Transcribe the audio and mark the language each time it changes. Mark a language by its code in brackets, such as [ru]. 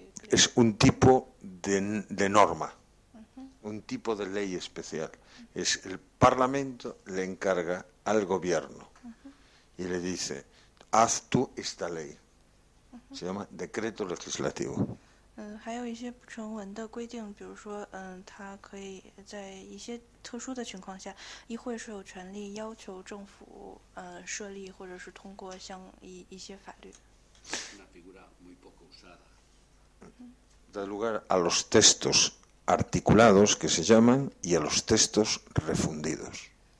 [es] Es un tipo de norma, un tipo de ley especial. Es el Parlamento le encarga al gobierno y le dice, haz tú esta ley. Se llama decreto legislativo. [zh] 还有一些不成文的规定，比如说，它可以在一些特殊的情况下，议会是有权利要求政府，设立或者是通过像一些法律。 [es] Una figura muy poco usada. Da lugar a los textos articulados que se llaman y a los textos refundidos.